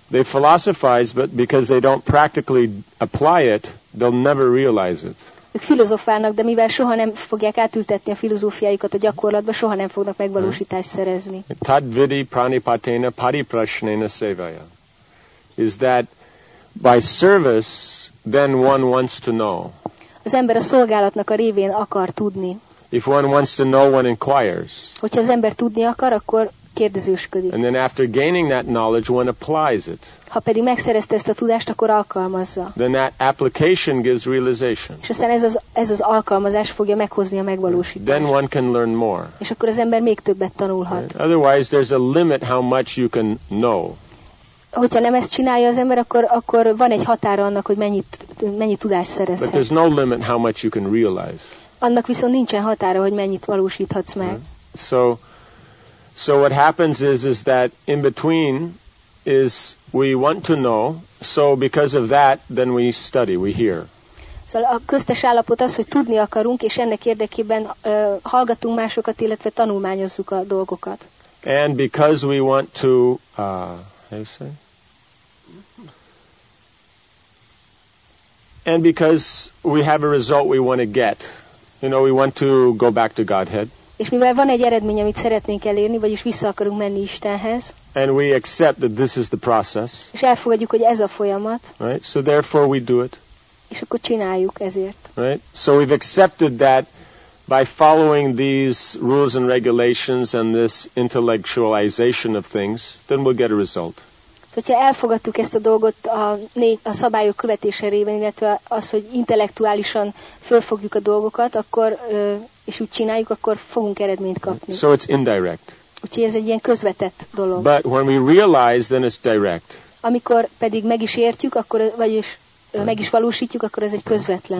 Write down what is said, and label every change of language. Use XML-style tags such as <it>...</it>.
<en>They philosophize, but because they don't practically apply it, they'll never realize it.</en> <hu>Ők filozofálnak, de mivel soha nem fogják átültetni a filozófiáikat a gyakorlatba, soha nem fognak megvalósítást szerezni.</hu> <sa>Tad vidi pranipatena pariprasnena sevaya.</sa> <en>Is that by service, then one wants to know.</en> <hu>Az ember a szolgálatnak a révén akar tudni.</hu> <en>If one wants to know, one inquires.</en> <hu>Hogyha az ember tudni akar, akkor kérdezősködik.</hu> <en>And then after gaining that knowledge, one applies it.</en> <hu>Ha pedig megszerezte ezt a tudást, akkor alkalmazza.</hu> <en>Then that application gives realization.</en> <hu>És aztán ez az alkalmazás fogja meghozni a megvalósítást.</hu> <en>Then one can learn more.</en> <hu>És akkor az ember még többet tanulhat.</hu> <en>Right? Otherwise, there's a limit how much you can know.</en> <hu>Hogyha nem ezt csinálja az ember, akkor van egy határa annak, hogy mennyi tudást szerezhet.</hu> <en>But there's no limit how much you can realize.</en> <hu>Annak viszont nincsen határa, hogy mennyit valósíthatsz meg.</hu> <en>So what happens is that in between is we want to know, so because of that, then we study, we hear.</en> <hu>Szóval a köztes állapot az, hogy tudni akarunk, és ennek érdekében hallgatunk másokat, illetve tanulmányozzuk a dolgokat.</hu> <en>And because we want to, how you say? And because we have a result we want to get. You know, we want to go back to Godhead.</en> <hu>És mivel van egy eredmény, amit szeretnénk elérni, vagyis vissza akarunk menni Istenhez.</hu> <en>And we accept that this is the process.</en> <hu>És elfogadjuk, hogy ez a folyamat.</hu> <en>Right? So therefore we do it.</en> <hu>És akkor csináljuk ezért.</hu> <en>Right? So we've accepted that by following these rules and regulations and this intellectualization of things, then we'll get a result.</en> <hu>Hogyha elfogadtuk ezt a dolgot a szabályok követése révén, illetve az, hogy intellektuálisan fölfogjuk a dolgokat, akkor és úgy csináljuk, akkor fogunk eredményt kapni.</hu> <en>So it's indirect.</en> <hu>Úgyhogy ez egy ilyen közvetett dolog.</hu> <en>But when we realize, then it's direct.</en> <hu>Amikor pedig meg is értjük, akkor vagyis meg is valósítjuk, akkor ez egy közvetlen.</hu>